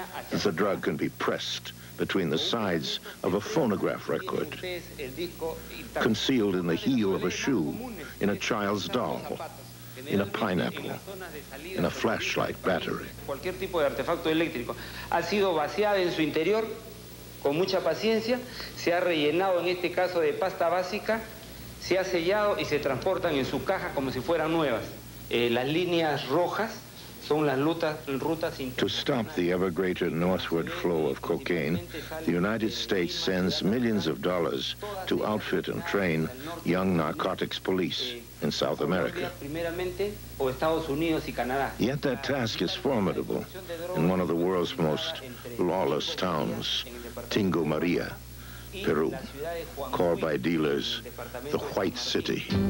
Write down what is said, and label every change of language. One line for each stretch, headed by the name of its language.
English: The drug can be pressed between the sides of a phonograph record, concealed in the heel of a shoe, in a child's doll, in a pineapple, in a flashlight battery.
Spanish: Cualquier tipo de artefacto eléctrico ha sido vaciado en su interior con mucha paciencia, se ha rellenado en este caso de pasta básica, se ha sellado y se transportan en su caja como si fueran nuevas. Las líneas rojas son las rutas.
English: To stop the ever greater northward flow of cocaine, the United States sends millions of dollars to outfit and train young narcotics police in South America. Yet that task is formidable in one of the world's most lawless towns, Tingo Maria, Peru, called by dealers the White City.